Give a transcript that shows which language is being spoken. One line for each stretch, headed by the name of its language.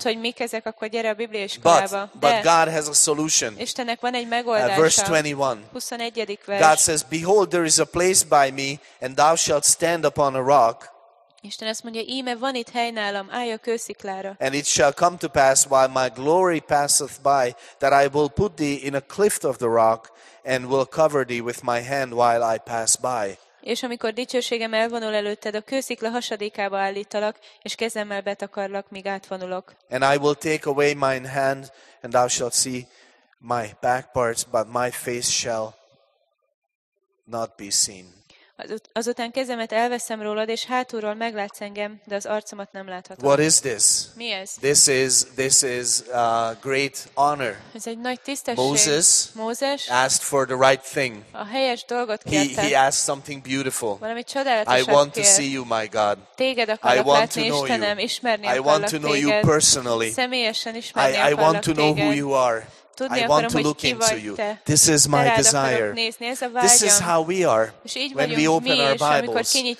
Hungarian: Hogy mik ezek, akkor gyere a Biblia iskolába.
English: But God has a solution.
Hungarian: Istennek van egy megoldása.
English: Verse 21.
Hungarian: 21. vers.
English: God says, behold, there is a place by me, and thou shalt stand upon a rock.
Hungarian: Isten azt mondja, íme van itt hely nálam, állj a kősziklára.
English: And it shall come to pass, while my glory passeth by, that I will put thee in a cleft of the rock, and will cover thee with my hand while I pass by.
Hungarian: És amikor dicsőségem elvonul előtted, a kőszikla hasadékába állítalak, és kezemmel betakarlak, míg átvonulok.
English: And I will take away mine hand, and thou shalt see my back parts, but my face shall not be seen.
Hungarian: Azután kezemet elveszem rólad, és hátulról meglátsz engem, de az arcomat nem láthatod.
English: What is this?
Hungarian: Mi ez?
English: This is a great honor.
Hungarian: Ez egy nagy tisztesség.
English: Moses asked for the right thing.
Hungarian: A helyes dolgot kérte.
English: He asked something beautiful.
Hungarian: Valami csodálatosat kér.
English: I want to see you, my God.
Hungarian: Téged akarok
English: I want
Hungarian: látni,
English: to know
Hungarian: Istenem,
English: you.
Hungarian: Ismerni
English: I want
Hungarian: akarlak
English: to know
Hungarian: téged.
English: You personally.
Hungarian: Személyesen ismerni akarlak
English: I want to
Hungarian: téged.
English: Know who you are.
Hungarian: Tudni
English: I
Hungarian: akarom,
English: want to look into you. This is my desire. This is how we are when we open our Bibles,